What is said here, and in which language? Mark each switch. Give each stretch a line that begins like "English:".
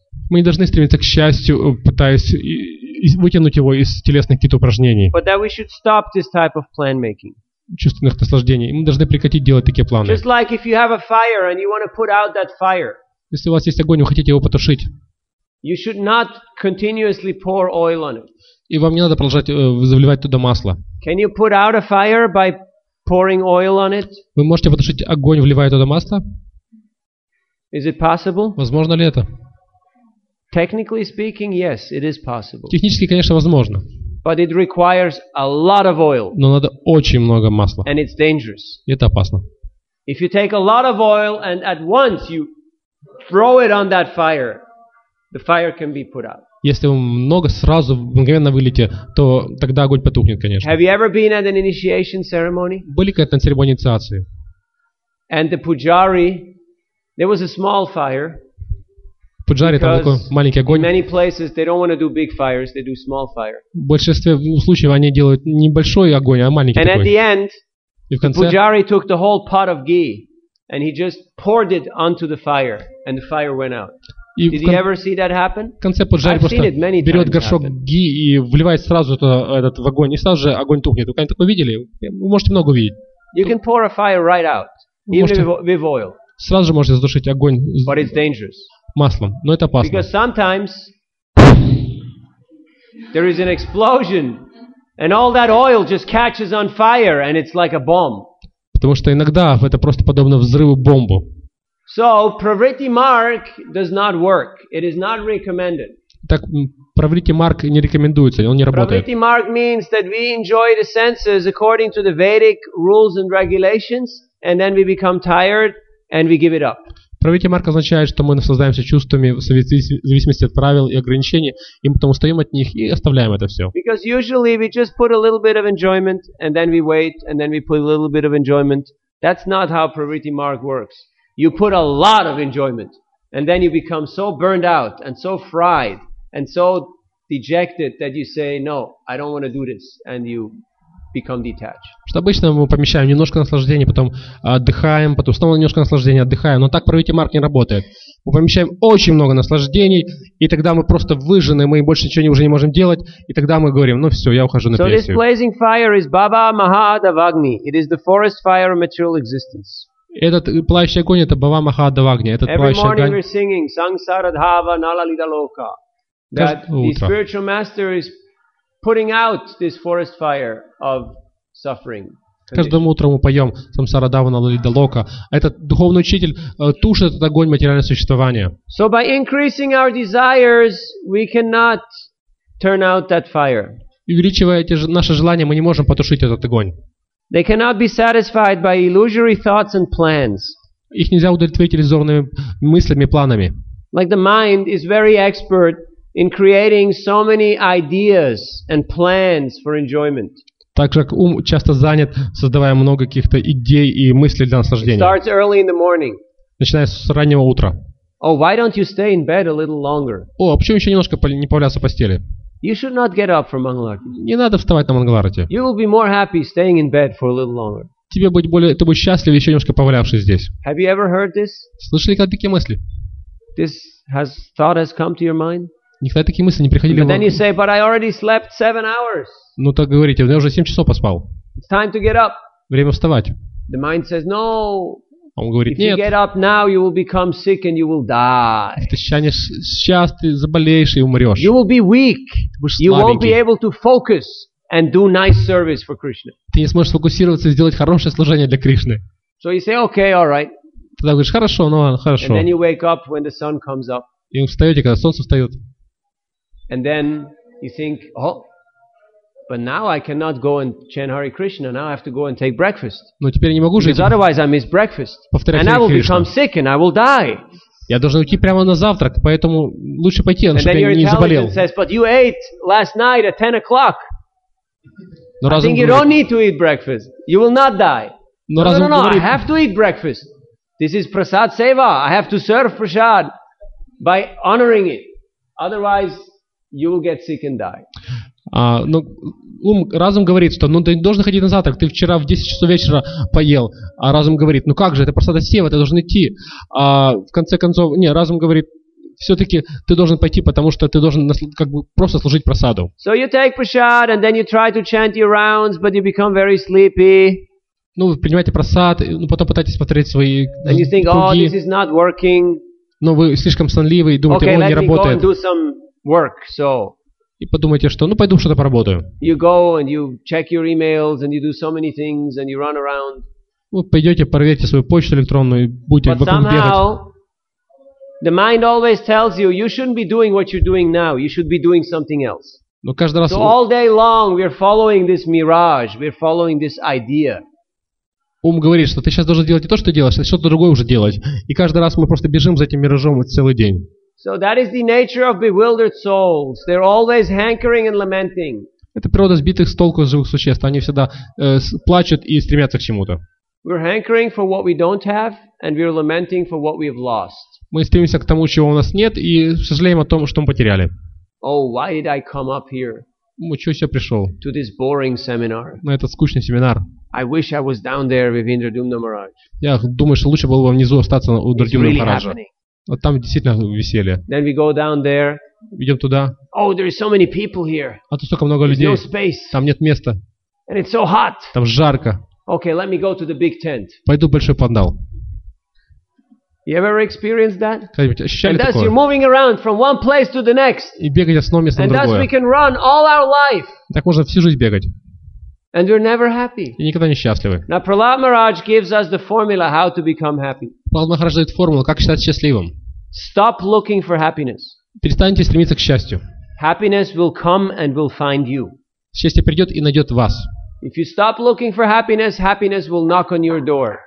Russian: Мы не должны стремиться к счастью, пытаясь вытянуть его из телесных каких-то упражнений.
English: But that we should stop this type of plan making.
Russian: Чувственных наслаждений. Мы должны прекратить делать такие планы.
English: Just like if you have a fire and you want to put out that fire.
Russian: Если у вас есть огонь, вы хотите его потушить.
English: You should not continuously pour oil on it.
Russian: И вам не надо продолжать заливать туда масло.
English: Can you put out a fire by pouring oil on it?
Russian: Вы можете потушить огонь, вливая туда масло?
English: Is it possible?
Russian: Возможно ли это?
English: Technically speaking, yes, it is possible.
Russian: Технически, конечно, возможно.
English: But it requires a lot of oil.
Russian: Но надо очень много масла.
English: And it's dangerous.
Russian: И это опасно.
English: If you take a lot of oil and at once you throw it on that fire, the fire can be put out.
Russian: Если вы много сразу мгновенно вылете, то тогда огонь потухнет, конечно.
English: Have you ever been at an initiation ceremony?
Russian: Были когда-то на церемонии инициации?
English: And the pujari, there was a small fire.
Russian: Пуджари, там такой маленький огонь.
English: In many places they don't want to do big fires, they do small fire.
Russian: В большинстве случаев они делают небольшой огонь, а маленький.
English: And
Russian: такой.
English: At the end,
Russian: конце...
English: pujari took the whole pot of ghee and he just poured it onto the fire and the fire went out. Did you ever see that happen?
Russian: В конце пуджари просто берет горшок ги и вливает сразу этот в огонь, и сразу же огонь тухнет. Вы когда-нибудь такое видели? Вы можете много увидеть.
English: You can pour a fire right out, even with oil.
Russian: Сразу же можете задушить огонь.
English: But it's dangerous.
Russian: Маслом, но это опасно.
English: Because sometimes there is an explosion, and all that oil just catches on fire, and it's like a bomb.
Russian: Потому что иногда это просто подобно взрыву бомбу.
English: So pravritti mark does not work. It is not recommended.
Russian: Так pravritti mark не рекомендуется, он не работает.
English: Pravritti mark means that we enjoy the senses according to the Vedic rules and regulations, and then we become tired and we give it up.
Russian: Pravritti mark означает, что мы наслаждаемся чувствами в зависимости от правил и ограничений, и мы потом устаем от них и оставляем это все.
English: Because usually we just put a little bit of enjoyment and then we wait and then we put a little bit of enjoyment. That's not how pravritti mark works. You put a lot of enjoyment, and then you become so burned out, and so fried, and so dejected that you say, "No, I don't want to do this," and you become detached.
Russian: Что обычно мы помещаем немножко наслаждения, потом отдыхаем, потом снова немножко наслаждения, отдыхаем. Но так pravritti mark не работает. Мы помещаем очень много наслаждений, и тогда мы просто выжжены, мы больше ничего уже не можем делать, и тогда мы говорим: "Ну все, я ухожу на пенсию."
English: So this blazing fire is Baba Mahadavagni. It is the forest fire of material existence.
Russian: Этот плавающий огонь – это Бава Махадавагни. Этот плавающий огонь.
English: Every morning we're singing Sangsara Dhava Nalalita Loka. That the spiritual master is putting out this forest fire of suffering.
Russian: Каждым утром мы поем Сансара Дхава Налалита Лока. Этот духовный учитель тушит этот огонь материального существования.
English: So by increasing our desires, we cannot turn out that fire.
Russian: Увеличивая наши желания, мы не можем потушить этот огонь.
English: They cannot be satisfied by illusory thoughts and plans.
Russian: Их нельзя удовлетворить иллюзорными мыслями, планами.
English: Like the mind is very expert in creating so many ideas and plans for enjoyment.
Russian: Так как ум часто занят, создавая много каких-то идей и мыслей для наслаждения.
English: It starts early in the morning.
Russian: Начиная с раннего утра.
English: Oh, why don't you stay in bed a little longer?
Russian: О, а почему еще немножко не поваляться в постели?
English: You should not get up from Mangalarti.
Russian: Не надо вставать на Мангаларти.
English: You will be more happy staying in bed for a little longer.
Russian: Тебе будет более, ты будешь счастлив еще немножко повалявшись здесь.
English: Have you ever heard this?
Russian: Слышали когда такие мысли?
English: This has thought has come to your mind?
Russian: Никогда такие мысли не приходили.
English: But then you say, but I already slept 7 hours.
Russian: Ну так говорите, я уже 7 часов поспал.
English: It's time to get up.
Russian: Время вставать.
English: The mind says no.
Russian: Он говорит, нет.
English: If you get up now, you will become sick and you will die.
Russian: Ты сейчас ты заболеешь и умрешь.
English: You will be weak. You won't be able to focus and do nice service for Krishna.
Russian: Ты не сможешь сфокусироваться и сделать хорошее служение для Кришны.
English: So you say, okay, all right.
Russian: Ты говоришь, хорошо, ну ладно, хорошо.
English: And then you wake up when the sun comes up.
Russian: И встаете, когда солнце встает.
English: And then you think, oh. But now I cannot go and chant Hare Krishna. Now I have to go and take breakfast.
Russian: Но теперь не могу жить.
English: Because otherwise I miss breakfast.
Russian: Повторяю,
English: and I will become sick and I will die.
Russian: Я должен уйти прямо на завтрак, поэтому лучше пойти,
English: and
Russian: чтобы я не заболел.
English: Says, but you ate last night at 10 o'clock.
Russian: Но
English: I think
Russian: говорит,
English: you don't need to eat breakfast. You will not die.
Russian: Но
English: no, no, no,
Russian: говорит,
English: I have to eat breakfast. This is prasad seva. I have to serve prasad by honoring it. Otherwise you will get sick and die.
Russian: Ну, ум, разум говорит, что ну, ты не должен ходить на завтрак, ты вчера в 10 часов вечера поел. А разум говорит, ну как же, это просто сева, ты должен идти. А в конце концов, не, разум говорит, все-таки ты должен пойти, потому что ты должен как бы просто служить просаду.
English: So you take prasad, and then you try to chant your rounds, but you become very sleepy.
Russian: Ну, вы принимаете просад, ну, потом пытаетесь смотреть свои круги.
English: And you think, oh, this is not working.
Russian: Но вы слишком сонливый, думаете,
English: okay,
Russian: о, не работает.
English: Okay, let me go and do some work, so.
Russian: И подумайте, что, ну, пойду что-то поработаю.
English: You go and you check your emails, and you do so many things, and you run around.
Russian: Вы пойдете, проверите свою почту электронную, и будете вокруг бегать.
English: But somehow, the mind always tells you, you shouldn't be doing what you're doing now, you should be doing something else.
Russian: Но каждый раз...
English: So all day long we're following this mirage, we're following this idea.
Russian: Ум говорит, что ты сейчас должен делать не то, что делаешь, а что-то другое уже делать. И каждый раз мы просто бежим за этим миражом целый день.
English: So that is the nature of bewildered souls. They're always hankering and lamenting.
Russian: Это природа сбитых с толку живых существ. Они всегда плачут и стремятся к чему-то.
English: We're hankering for what we don't have, and we're lamenting for what we've lost.
Russian: Мы стремимся к тому, чего у нас нет, и сожалеем о том, что мы потеряли.
English: Oh, why did I come up here?
Russian: Ну, чего я пришел?
English: To this boring seminar.
Russian: На этот скучный семинар.
English: I wish I was down there with Indra Dumna Maharaj.
Russian: Я думаю, что лучше было бы внизу остаться у Индры Думны Махараджа.
English: Really happening.
Russian: Вот там действительно веселье.
English: Then we go down there.
Russian: Идем туда.
English: Oh, there is so many people here.
Russian: А тут столько много
English: There's
Russian: людей.
English: No space.
Russian: Там нет места.
English: And it's so hot.
Russian: Там жарко.
English: Okay, let me go to the big tent.
Russian: Пойду в большой пандал.
English: You ever experienced that?
Russian: Когда-нибудь ощущали
English: And thus
Russian: такое?
English: You're moving around from one place to the next.
Russian: И бегать от одного места на другое.
English: And thus we can run all our life.
Russian: Так можно всю жизнь бегать.
English: And we're never happy.
Russian: И никогда не счастливы.
English: Now Prahlad Maharaj gives us the formula how to become happy.
Russian: Прахлад Махарадж дает формулу, как стать счастливым.
English: Stop looking for happiness.
Russian: Перестаньте стремиться к счастью.
English: Happiness will come and will find you.
Russian: Счастье придет и найдет вас.
English: If you stop looking for happiness, happiness will knock on your door.